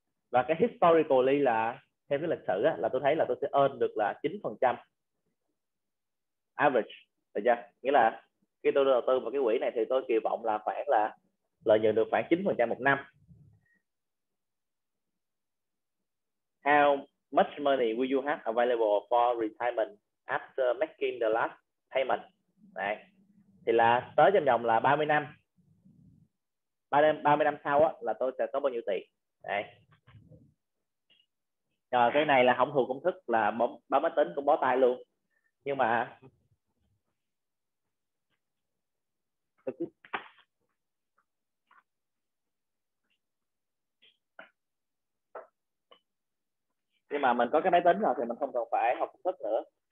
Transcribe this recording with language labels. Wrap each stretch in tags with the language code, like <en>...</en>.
<vi>Và cái historically là theo cái lịch sử á, là tôi thấy là tôi sẽ earn được là 9% average. Được chưa? Nghĩa là khi tôi đầu tư vào cái quỹ này thì tôi kỳ vọng là khoảng là lợi nhuận được khoảng 9% một năm.</vi> <en>How much money will you have available for retirement after making the last payment?</en> <vi>Đấy. Thì là tới trong vòng là 30 năm. 30 năm sau á là tôi sẽ có bao nhiêu tiền. Đấy. Rồi cái này là không thuộc công thức, là bấm máy tính cũng bó tay luôn. Nhưng mà nhưng mà mình có cái máy tính rồi thì mình không cần phải học công thức nữa.</vi>